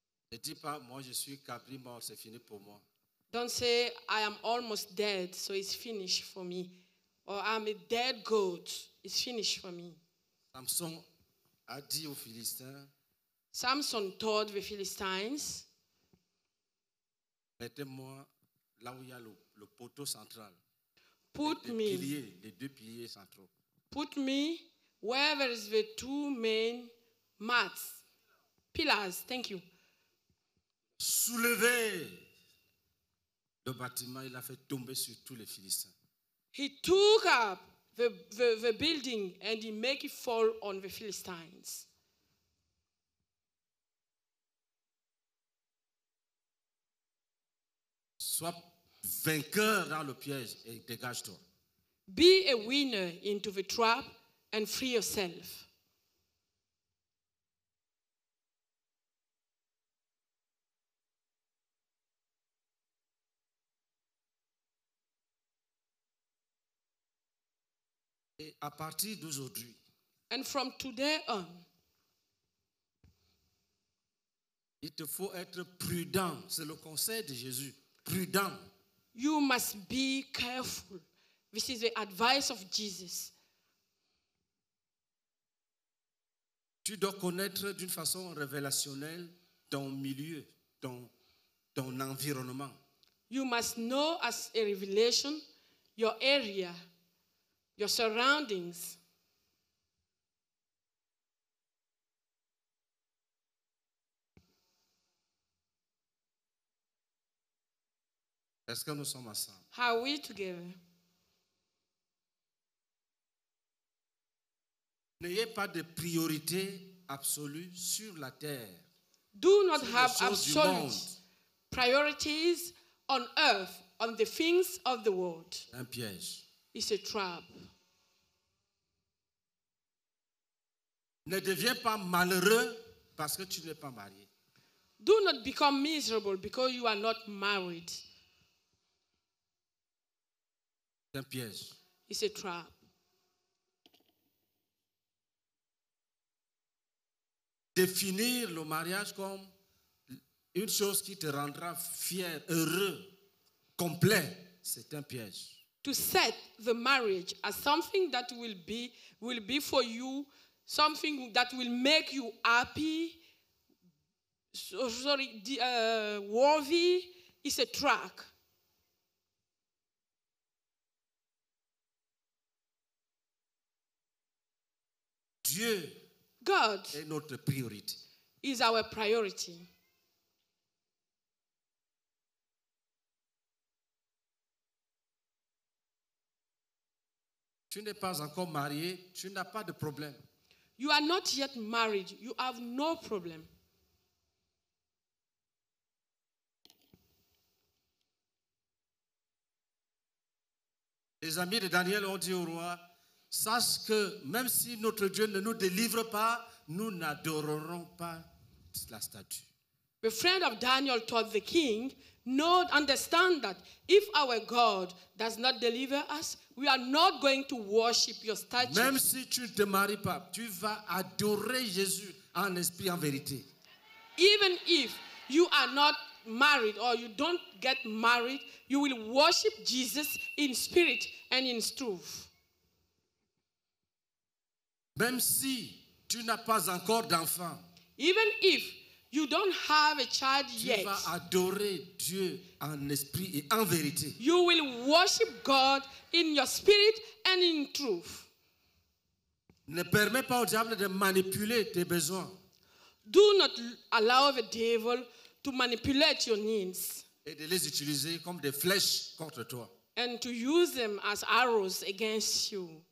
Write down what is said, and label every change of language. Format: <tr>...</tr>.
<fr>Ne dis pas, moi je suis capri mort, c'est fini pour moi.</fr> <en>Don't say, I am almost dead, so it's finished for me. Or I'm a dead goat, it's finished for me.</en> <fr>Samson a dit aux Philistins.</fr> <en>Samson told the Philistines.</en> <fr>Mettez-moi là où il y a le poteau central.</fr> <en>Put</en> <fr>les</fr> <en>me.</en> <fr>Piliers, les deux piliers centraux.</fr> <en>Put me where there is the two main mats. Pillars, thank you.</en> <fr>Soulevé. Le bâtiment, il a fait tomber sur tous les Philistins.</fr> <en>He took up the building and he made it fall on the Philistines.</en> <fr>Sois vainqueur dans le piège et dégage-toi.</fr> <en>Be a winner into the trap and free yourself.</en> <fr>Et à partir d'aujourd'hui.</fr> <en>And from today on.</en> <fr>Il te faut être prudent. C'est le conseil de Jésus. Prudent.</fr> <en>You must be careful. This is the advice of Jesus.</en> <fr>Tu dois connaître d'une façon révélationnelle ton milieu, ton environnement.</fr> <en>You must know as a revelation your area, your surroundings.</en> <fr>Est-ce que nous sommes ensemble?</fr> <en>Are we together?</en> <fr>N'ayez pas de priorité absolue sur la terre.</fr> <en>Do not have absolute priorities on earth, on the things of the world.</en> <fr>Un piège.</fr> <en>It's a trap.</en> <fr>Ne deviens pas malheureux parce que tu n'es pas marié.</fr> <en>Do not become miserable because you are not married.</en> <fr>C'est un piège.</fr> <en>It's a trap.</en> <fr>Définir le mariage comme une chose qui te rendra fier, heureux, complet, c'est un piège.</fr> <en>To set the marriage as something that will be for you, something that will make you happy, worthy, is a trap.</en> <fr>Dieu</fr> <en>God</en> <fr>est notre priorité.</fr> <en>Is our priority.</en> <fr>Tu n'es pas encore marié, tu n'as pas de problème.</fr> <en>You are not yet married, you have no problem.</en> <fr>Les amis de Daniel ont dit au roi, sache que même si notre Dieu ne nous délivre pas, nous n'adorerons pas la statue.</fr> <en>The friend of Daniel told the king, know, understand that if our God does not deliver us, we are not going to worship your statue.</en> <fr>Même si tu ne te maries pas, tu vas adorer Jésus en esprit, en vérité.</fr> <en>Even if you are not married or you don't get married, you will worship Jesus in spirit and in truth.</en> <fr>Même si tu n'as pas encore d'enfant,</fr> <en>even if you don't have a child</en> <fr>tu</fr> <en>yet,</en> <fr>vas adorer Dieu en esprit et en vérité.</fr> <en>You will worship God in your spirit and in truth.</en> <fr>Ne permets pas au diable de manipuler tes besoins.</fr> <en>Do not allow the devil to manipulate your needs.</en> <fr>Et de les utiliser comme des flèches contre toi.</fr> <en>And to use them as arrows against you.</en>